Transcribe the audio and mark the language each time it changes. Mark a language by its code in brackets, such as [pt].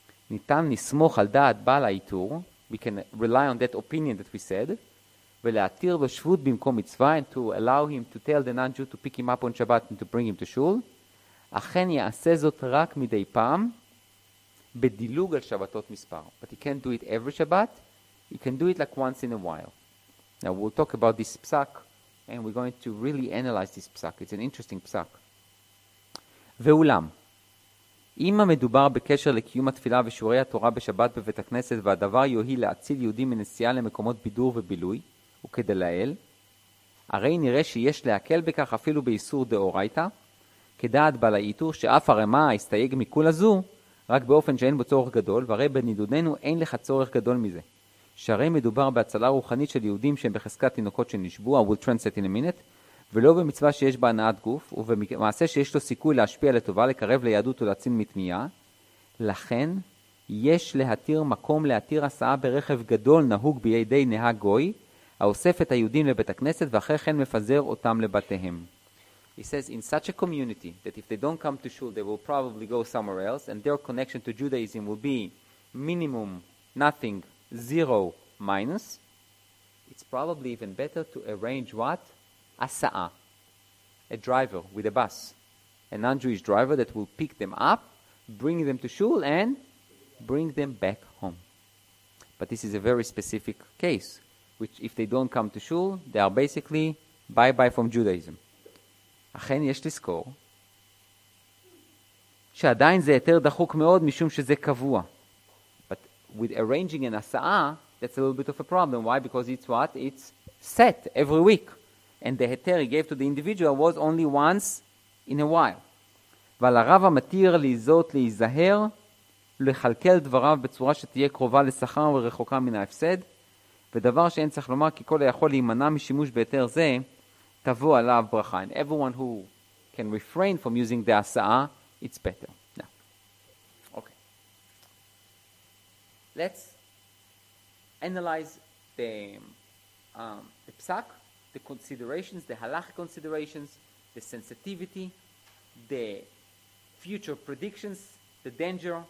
[he] ניתן לסמוך על דעת בעל האיתור, [en] we can rely on that opinion that we said, [he] ולהתיר לו שבות במקום מצווה, [en] and to allow him to tell the non-Jew to pick him up on Shabbat and to bring him to shul, [he] אכן יעשה זאת רק מדי פעם, בדילוג על שבתות מספר. [en] But he can't do it every Shabbat, he can do it like once in a while. Now we'll talk about this psak, and we're going to really analyze this psak. It's an interesting psak. [he] ואולם, אם המדובר בקשר לקיום התפילה ושיעורי התורה בשבת בבית הכנסת, והדבר יועיל להציל יהודים מנסיעה למקומות בידור ובילוי, וכדלאל, הרי נראה שיש להקל בכך אפילו באיסור דאורייתא, כדעת בעל האיתור שאף הרמה הסתייג מכול הזו, רק באופן שאין בו צורך גדול, והרי בנידודנו אין לך צורך גדול מזה. שהרי מדובר בהצלה רוחנית של יהודים שהם בחזקת תינוקות שנשבו, [en] I will translate in a minute, [he] ולא במצווה שיש בה הנעת גוף, ובמעשה שיש לו סיכוי להשפיע לטובה, לקרב ליהדות ולהצין מתמיעה. לכן, יש להתיר מקום להתיר הסעה ברכב גדול נהוג בידי נהג גוי, האוסף את היהודים לבית הכנסת, ואחר כן מפזר אותם לבתיהם. [en] He says, in such a community, that if they don't come to shul, they will probably go somewhere else, and their connection to Judaism will be minimum, nothing, zero, minus, it's probably even better to arrange what? Asa'a, a driver with a bus, a non-Jewish driver that will pick them up, bring them to shul, and bring them back home. But this is a very specific case, which if they don't come to shul, they are basically bye-bye from Judaism. [he] אכן יש לזכור שעדיין זה יותר דחוק מאוד משום שזה קבוע. [en] But with arranging an הסעה, that's a little bit of a problem. Why? Because it's what? It's set every week. And the heter he gave to the individual was only once in a while. [he] ועל הרב המתיר לזאת להיזהר לחלקל דבריו בצורה שתהיה קרובה לשכר ורחוקה מן ההפסד, ודבר שאין צריך לומר כי כל היכול להימנע משימוש ביתר זה, תבוא עליו ברכה. [en] And everyone who can refrain from using the הסעה, it's better. Okay. Let's analyze the psak, the considerations, the halach considerations, the sensitivity, the future predictions, the danger.